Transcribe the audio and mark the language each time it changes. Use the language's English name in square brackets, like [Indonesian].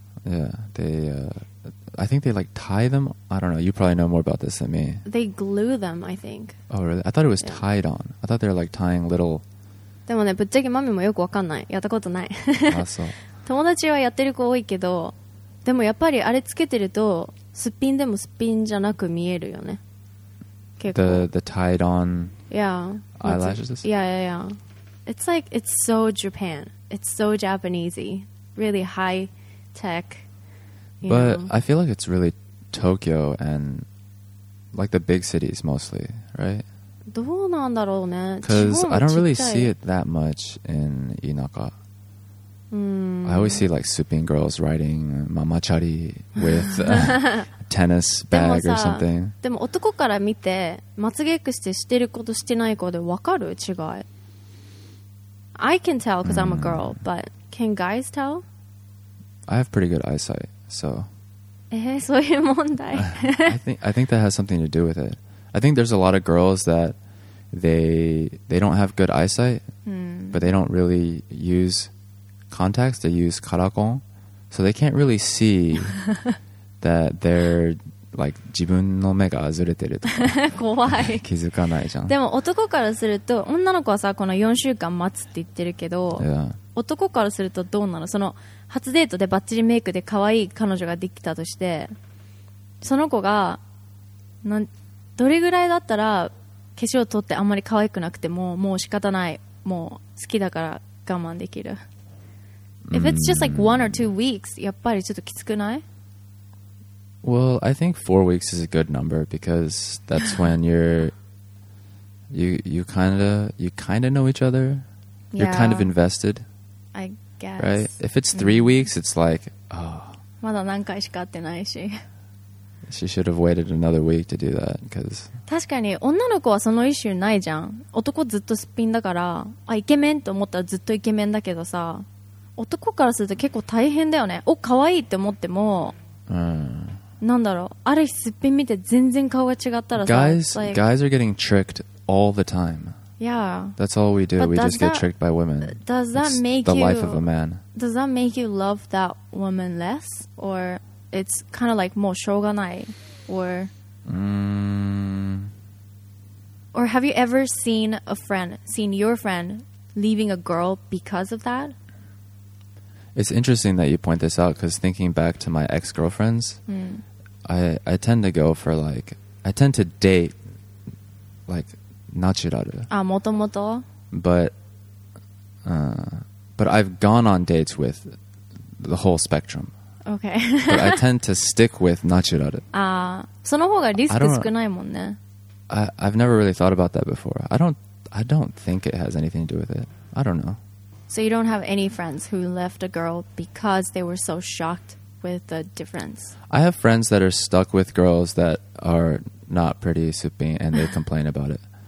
[English] Yeah, they I think they like tie them. I don't know. You probably know more about this than me. They glue them, I think. Oh, really? I thought it was tied on. I thought they were like tying little. [Japanese] でもね、ぶっちゃけマミもよくわかんない。やったことない。あ、そう。友達はやってる子多いけど、でもやっぱりあれつけてるとすっぴんでもすっぴんじゃなく見えるよね。結構 [English] the tied on yeah eyelashes yeah yeah yeah it's like it's so Japan, it's so Japanesey, really high tech, but know. I feel like it's really Tokyo and like the big cities mostly, right? [Japanese] どうなんだろうね。 [English] Because I don't really see it that much in Inaka. I always see like supine girls riding mama chari with tennis bag or something. [Japanese] でも男から見てまつげエクステしてる子としてない子で分かる違い。 [English] I can tell because I'm a girl, but can guys tell? I have pretty good eyesight, so. [Japanese] そういう問題。 [English] I think that has something to do with it. I think there's a lot of girls that they don't have good eyesight, but they don't really use. Contacts, they use caracol, so they can't really see that they're like [Japanese] 自分の目がずれてるとか怖い気づかないじゃん。でも男からすると女の子はさこの4週間待つって言ってるけど、 [English] yeah. [Japanese] 男からするとどうなの、その初デートでバッチリメイクで可愛い彼女ができたとして、その子がどれぐらいだったら化粧取ってあんまり可愛くなくてももう仕方ない、もう好きだから我慢できる。 [English] If it's just like 1 or 2 weeks, [Japanese] やっぱりちょっときつくない? [English] Well, I think 4 weeks is a good number because that's when you kind of know each other. You're kind of invested. I guess. Right? If it's three weeks, it's like, oh. [Japanese] まだ何回しか会ってないし。 [English] She should have waited another week to do that, because... [Japanese] 確かに、女の子はその意思ないじゃん。男ずっとすっぴんだから、あ、イケメンと思ったらずっとイケメンだけどさ、男からすると結構大変だよね。お、可愛いって思っても、うん、なんだろう、ある日すっぴん見て全然顔が違ったらさ、 [English] guys, like, guys are getting tricked all the time. Yeah. That's all we do. But we just get tricked by women. Does that it's make the you, life of a man. Does that make you love that woman less? Or... It's kind of like [Japanese] もうしょうがない [English] or、or have you ever seen a friend seen your friend leaving a girl because of that? It's interesting that you point this out because thinking back to my ex-girlfriends、mm. I tend to go for like I tend to date like natural [Japanese] ah もともと [English] but I've gone on dates with the whole spectrum Okay. But I tend to stick with natural. [Japanese] Ah, その方がリスク少ないもんね。 [English] I've never really thought about that before. I don't think it has anything to do with it. I don't know. So you don't have any friends who left a girl because they were so shocked with the difference? I have friends that are stuck with girls that are not pretty supine and they complain about it.